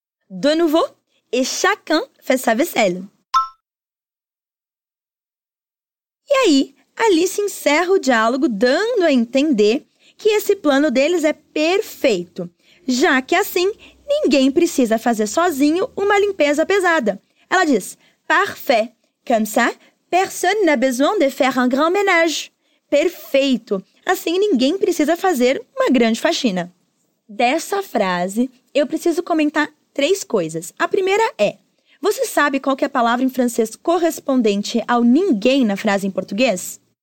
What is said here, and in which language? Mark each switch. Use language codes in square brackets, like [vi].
[fr] De novo, et chacun fait sa vaisselle. [pt] E aí, Alice encerra o diálogo dando a entender que esse plano deles é perfeito, já que assim, ninguém precisa fazer sozinho uma limpeza pesada. Ela diz, parfait. [fr] Comme ça, personne n'a besoin de faire un grand ménage. [pt] Perfeito! Assim, ninguém precisa fazer uma grande faxina. Dessa frase, eu preciso comentar três coisas. A primeira é, você sabe qual que é a palavra em francês correspondente ao ninguém na frase em português?